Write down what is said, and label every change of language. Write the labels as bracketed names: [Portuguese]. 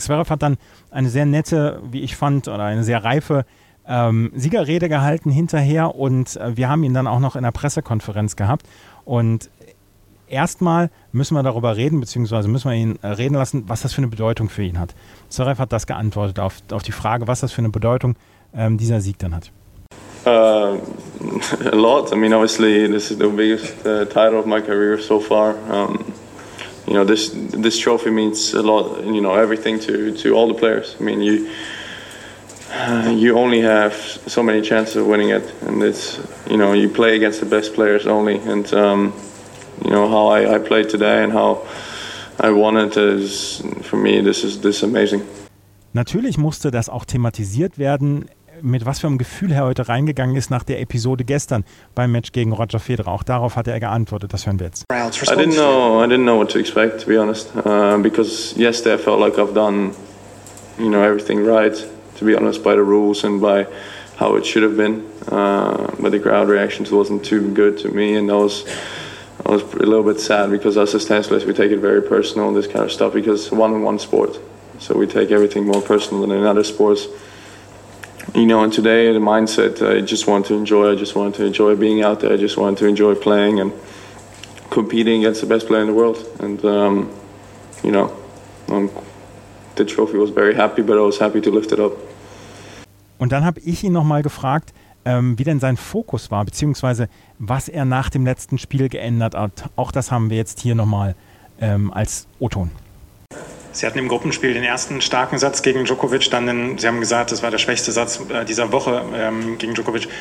[German] Zverev hat dann eine sehr nette, wie ich fand, oder eine sehr reife Siegerrede gehalten hinterher und wir haben ihn dann auch noch in der Pressekonferenz gehabt und erstmal müssen wir darüber reden, beziehungsweise müssen wir ihn reden lassen, was das für eine Bedeutung für ihn hat. Zverev hat das geantwortet auf die Frage, was das für eine Bedeutung dieser Sieg dann hat. [English] A lot. I mean, obviously this is the biggest title of my career so far. You know, this trophy means a lot, you know, everything to all the players. I mean, you only have so many chances of winning it, and it's, you know, you play against the best players only, and you know how I played today and how I won it is, for me, this is amazing. [German] Natürlich musste das auch thematisiert werden, mit was für einem Gefühl er heute reingegangen ist nach der Episode gestern beim Match gegen Roger Federer. Auch darauf hatte er geantwortet, das hören wir jetzt. [English] I didn't know what to expect, to be honest, because yesterday I felt like I've done, you know, everything right, to be honest, by the rules and by how it should have been, but the crowd reactions wasn't too good to me, and I was a little bit sad because as a tennis, we take it very personal, this kind of stuff, because one-on-one sport, so we take everything more personal than in other sports, you know. And today the mindset, I just wanted to enjoy being out there, I just wanted to enjoy playing and competing against the best player in the world, and you know, the trophy was very happy, but I was happy to lift it up. [German] Und dann habe ich ihn nochmal gefragt, wie denn sein Fokus war, beziehungsweise was er nach dem letzten Spiel geändert hat. Auch das haben wir jetzt hier nochmal als O-Ton. Sie hatten im Gruppenspiel den ersten starken Satz gegen Djokovic, dann in, Sie haben gesagt, das war der schwächste Satz dieser Woche gegen Djokovic.